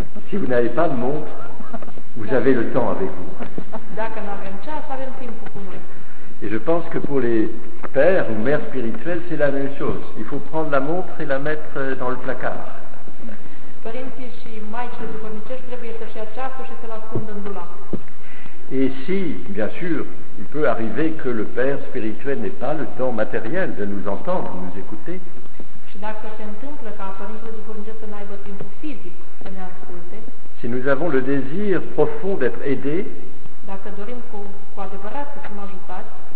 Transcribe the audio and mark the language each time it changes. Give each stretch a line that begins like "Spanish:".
French: Si vous n'avez pas de montre, vous avez le temps avec vous. Et je pense que pour les pères ou mères spirituelles, c'est la même chose. Il faut prendre la montre et la mettre dans le placard.
Romanian: Părinții și maicile duhovnicești trebuie să-și ia ceasul și să-l ascundă în dulap.
French: Et si, bien sûr, il peut arriver que le père spirituel n'ait pas le temps matériel de nous entendre, de nous écouter.
Romanian: Și dacă se întâmplă ca părintele duhovnicești să n-aibă timpul fizic să ne asculte.
French: Si nous avons le désir profond d'être aidés.
Romanian: Dacă dorim cu adevărat să fim ajutați.